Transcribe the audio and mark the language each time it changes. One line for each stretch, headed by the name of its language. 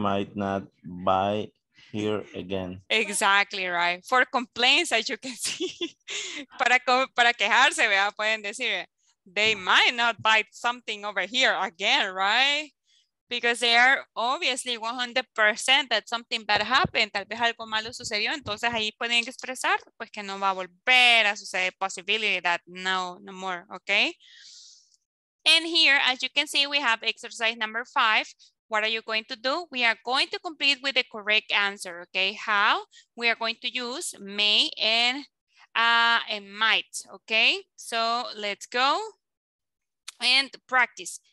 English: Might not buy here again. Exactly right. For complaints, as you can see.
Spanish: para quejarse, ¿verdad? Pueden decir,
English: they might not buy something over here again, right? Because they are obviously 100% that something bad happened.
Spanish: Tal vez algo malo sucedió. Entonces ahí pueden expresar pues que no va a volver a suceder.
English: Possibility that no more, okay? And here, as you can see, we have exercise number 5. What are you going to do? We are going to complete with the correct answer, okay? How? We are going to use may and might, okay? So let's go and practice.